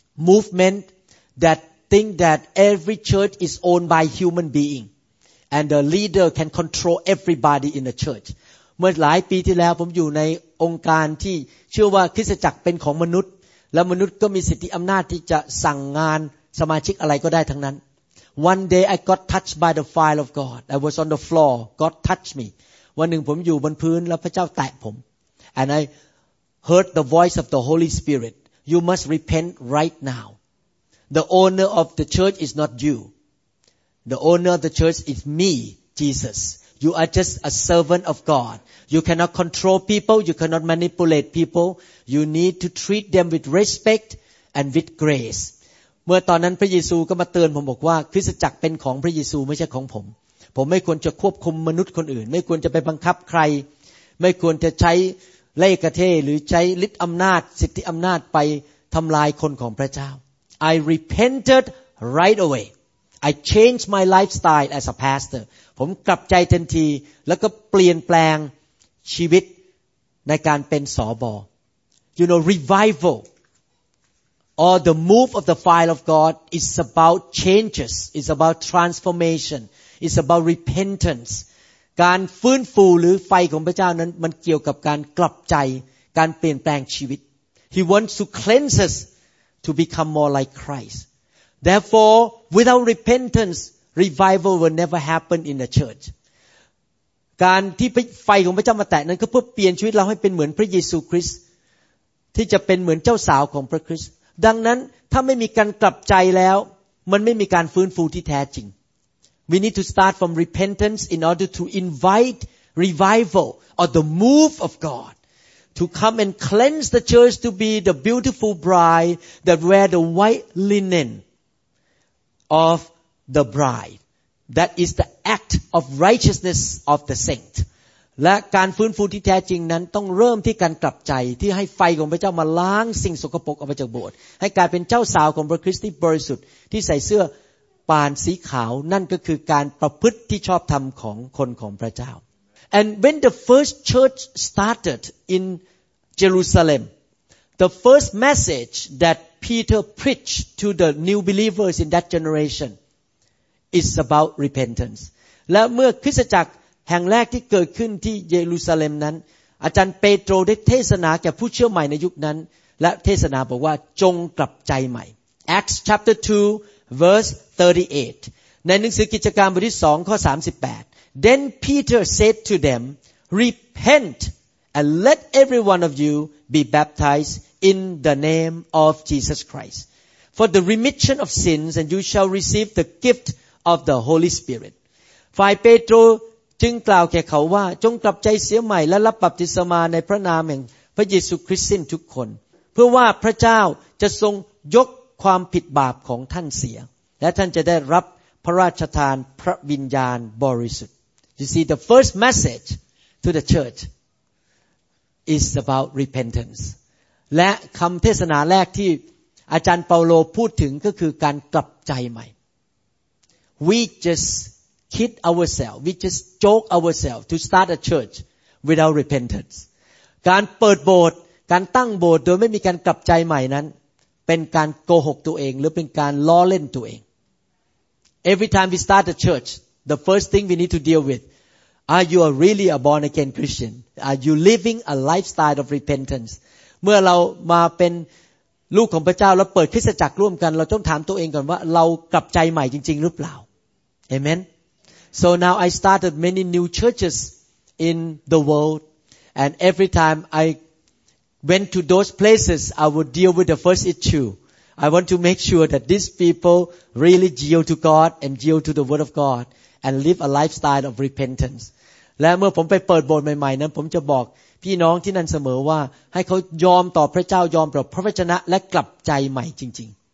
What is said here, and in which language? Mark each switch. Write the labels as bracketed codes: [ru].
[en] movement that think that every church is owned by human being and the leader can control everybody in the church [th] เมื่อหลายปีที่แล้วผมอยู่ในองค์การที่เชื่อว่าคริสตจักรเป็นของมนุษย์และมนุษย์ก็มีสิทธิอำนาจที่จะสั่งงานสมาชิกอะไรก็ได้ทั้งนั้น [en] One day I got touched by the fire of God I was on the floor God touched me [th] วันหนึ่งผมอยู่บนพื้นแล้วพระเจ้าแตะผม [en] And I heard the voice of the Holy Spirit You must repent right now The owner of the church is not you. The owner of the church is me, Jesus. You are just a servant of God. You cannot control people. You cannot manipulate people. You need to treat them with respect and with grace. [th] เมื่อตอนนั้นพระเยซูก็มาเตือนผมบอกว่าคริสตจักรเป็นของพระเยซูไม่ใช่ของผมผมไม่ควรจะควบคุมมนุษย์คนอื่นไม่ควรจะไปบังคับใครไม่ควรจะใช้เล่ห์กลเทหรือใช้ฤทธิ์อำนาจสิทธิอำนาจไปทำลายคนของพระเจ้า [en] I repented right away I changed my lifestyle as a pastor [th] ผมกลับใจทันทีแล้วก็เปลี่ยนแปลงชีวิตในการเป็นสบ [en] You know revivalOr the move of the fire of God is about changes. It's about transformation. It's about repentance. [th] การฟื้นฟูหรือไฟของพระเจ้านั้นมันเกี่ยวกับการกลับใจการเปลี่ยนแปลงชีวิต [en] He wants to cleanse us to become more like Christ. Therefore, without repentance, revival will never happen in the church. [th] การที่ไฟของพระเจ้ามาแตะนั้นก็เพื่อเปลี่ยนชีวิตเราให้เป็นเหมือนพระเยซูคริสต์ที่จะเป็นเหมือนเจ้าสาวของพระคริสต์ดังนั้นถ้าไม่มีการกลับใจแล้วมันไม่มีการฟื้นฟูที่แท้จริง [en] We need to start from repentance in order to invite revival or the move of God to come and cleanse the church to be the beautiful bride that wear the white linen of the bride that is the act of righteousness of the saint [th] และการฟื้นฟูที่แท้จริงนั้นต้องเริ่มที่การกลับใจที่ให้ไฟของพระเจ้ามาล้างสิ่งสกปรกออกไปจากโบสถ์ให้กลายเป็นเจ้าสาวของพระคริสต์ที่บริสุทธิ์ที่ใส่เสื้อปานสีขาวนั่นก็คือการประพฤติที่ชอบธรรมของคนของพระเจ้า [en] And when the first church started in Jerusalem the first message that Peter preached to the new believers in that generation is about repentance [th] และเมื่อคริสตจักรแห่งแรกที่เกิดขึ้นที่เยรูซาเล็มนั้นอาจารย์เปโตรได้เทศนาแก่ผู้เชื่อใหม่ในยุคนั้นและเทศนาบอกว่าจงกลับใจใหม่ [en] Acts chapter 2 verse 38 [th] ในหนังสือกิจการบทที่2ข้อ38 [en] Then Peter said to them Repent and let every one of you be baptized in the name of Jesus Christ for the remission of sins and you shall receive the gift of the Holy Spirit [th] ฝ่ายเปโตรจึงกล่าวแก่เขาว่าจงกลับใจเสียใหม่และรับบัพติศมาในพระนามแห่งพระเยซูคริสต์สิ้นทุกคนเพื่อว่าพระเจ้าจะทรงยกความผิดบาปของท่านเสียและท่านจะได้รับพระราชทานพระวิญญาณบริสุทธิ์ [en] You see the first message to the church is about repentance [th] และคำเทศนาแรกที่อาจารย์เปาโลพูดถึงก็คือการกลับใจใหม่ [en] We justKid ourselves, we just joke ourselves to start a church without repentance. [th] การเปิดโบสถ์การตั้งโบสถ์โดยไม่มีการกลับใจใหม่นั้นเป็นการโกหกตัวเองหรือเป็นการล้อเล่นตัวเอง [en] Every time we start a church, the first thing we need to deal with, are you really a born again Christian? Are you living a lifestyle of repentance? [th] เมื่อเรามาเป็นลูกของพระเจ้าแล้วเปิดคริสตจักรร่วมกันเราต้องถามตัวเองก่อนว่าเรากลับใจใหม่จริงๆหรือเปล่า [en] Amen. So now I started many new churches in the world, and every time I went to those places, I would deal with the first issue. I want to make sure that these people really yield to God and yield to the Word of God and live a lifestyle of repentance. [th] และเมื่อผมไปเปิดโบสถ์ใหม่ๆนั้นผมจะบอกพี่น้องที่นั่นเสมอว่าให้เขายอมต่อพระเจ้ายอมต่อพระวจนะและกลับใจใหม่จริง